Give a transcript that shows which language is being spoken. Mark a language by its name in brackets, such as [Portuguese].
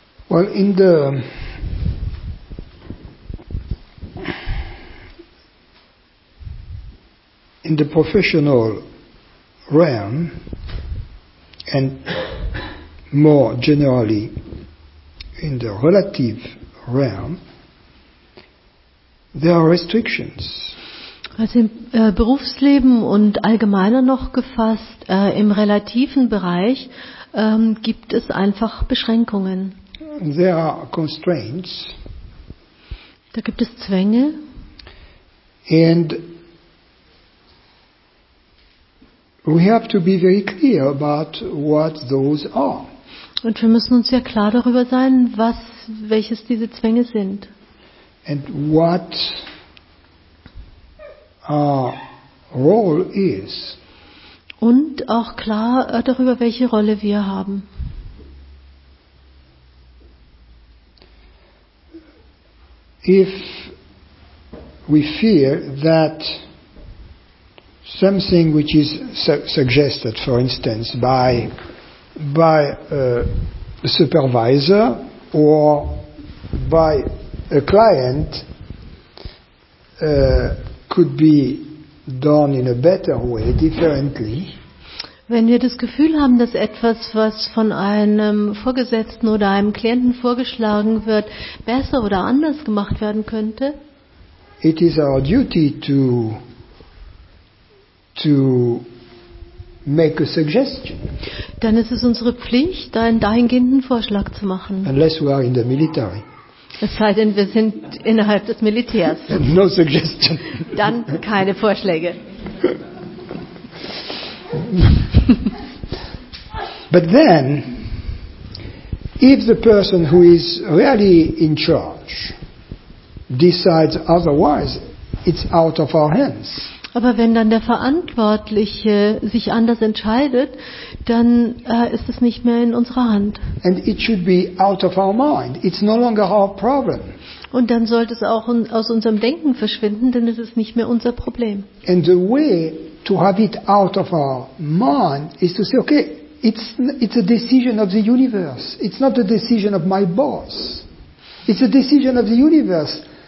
[English] Well, in the professional realm and more generally in the relative realm, there are restrictions. [German] Also im Berufsleben und allgemeiner noch gefasst im relativen Bereich gibt es einfach Beschränkungen. [English] There are constraints. [German] Da gibt es Zwänge. [English] And we have to be very clear about what those are. [German] Und wir müssen uns sehr klar darüber sein, welches diese Zwänge sind. [English] And what our role is. [German] Und auch klar darüber, welche Rolle wir haben. [English] If we feel that something which is suggested, for instance, by a supervisor or by a client could be done in a better way, differently, [German] Wenn wir das Gefühl haben, dass etwas, was von einem Vorgesetzten oder einem Klienten vorgeschlagen wird, besser oder anders gemacht werden könnte, [English] it is our duty to make a suggestion. [German] Dann ist es unsere Pflicht, einen dahingehenden Vorschlag zu machen. [English] Unless we are in the military. [German] Es sei denn, wir sind innerhalb des Militärs. [English] No suggestion. [German] Dann keine Vorschläge. [English] But then, if the person who is really in charge decides otherwise, it's out of our hands. [German] Aber wenn dann der Verantwortliche sich anders entscheidet, dann ist es nicht mehr in unserer Hand. [English] And it should be out of our mind. It's no longer our problem. [German] Und dann sollte es auch aus unserem Denken verschwinden, denn es ist nicht mehr unser Problem. [English] And the way to have it out of our mind is to say, okay, it's a decision of the universe. It's not a decision of my boss. It's a decision of the universe.